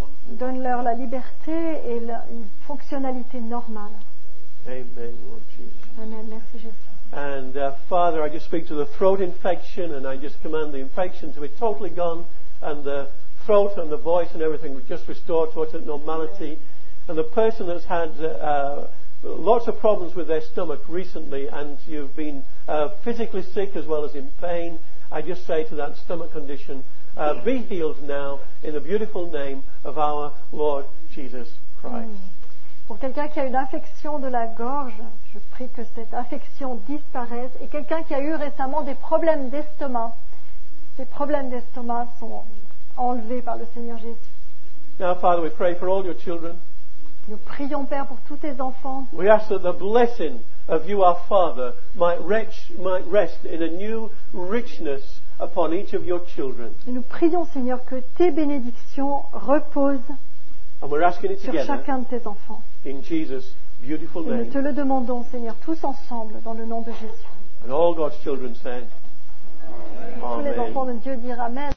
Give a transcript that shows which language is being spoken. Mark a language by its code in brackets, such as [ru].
[fr] Donne-leur la liberté et une fonctionnalité normale. [en] Amen, Lord Jesus. [fr] Amen, merci Jésus. [en] And Father, I just speak to the throat infection and I just command the infection to be totally gone and the throat and the voice and everything just restored to its normality. And the person that's had lots of problems with their stomach recently and you've been physically sick as well as in pain, I just say to that stomach condition, be healed now in the beautiful name of our Lord Jesus Christ. Mm. [fr] Pour quelqu'un qui a une infection de la gorge, je prie que cette infection disparaisse. Et quelqu'un qui a eu récemment des problèmes d'estomac, ces problèmes d'estomac sont enlevés par le Seigneur Jésus. [en] Now, Father, we pray for all your children. [fr] Nous prions, Père, pour tous tes enfants. [en] We ask that the blessing of you, our Father, might rest in a new richness upon each of your children. [fr] Et nous prions, Seigneur, que tes bénédictions reposent sur chacun de tes enfants. [en] In Jesus' beautiful name. [fr] Et nous te le demandons, Seigneur, tous ensemble, dans le nom de Jésus. [en] And all God's children say, Amen. [fr] Tous les enfants de Dieu dire Amen.